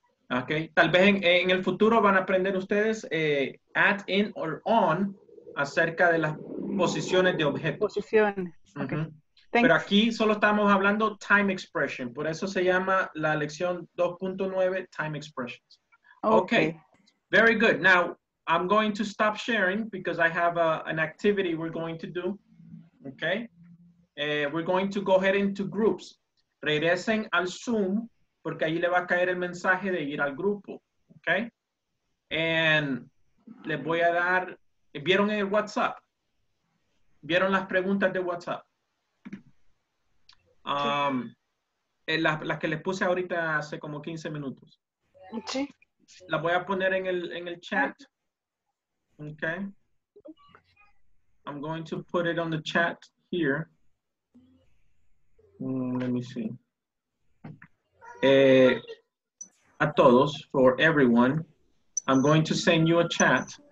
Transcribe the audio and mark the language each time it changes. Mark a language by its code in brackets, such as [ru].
[es] Okay, tal vez en el futuro van a aprender ustedes at, in, or on acerca de las posiciones de objetos. Posiciones. Uh-huh. Okay. Pero aquí solo estamos hablando time expression. Por eso se llama la lección 2.9 time expressions. Okay. [en] Very good. Now, I'm going to stop sharing because I have an activity we're going to do. Okay. We're going to go ahead into groups. [es] Regresen al Zoom. Porque ahí le va a caer el mensaje de ir al grupo, ¿ok? And les voy a dar, ¿vieron el WhatsApp? ¿Vieron las preguntas de WhatsApp? Las que les puse ahorita hace como 15 minutos. Sí. Las voy a poner en el chat, ¿ok? [en] I'm going to put it on the chat here. Let me see. [es] A todos, [en] for everyone, I'm going to send you a chat.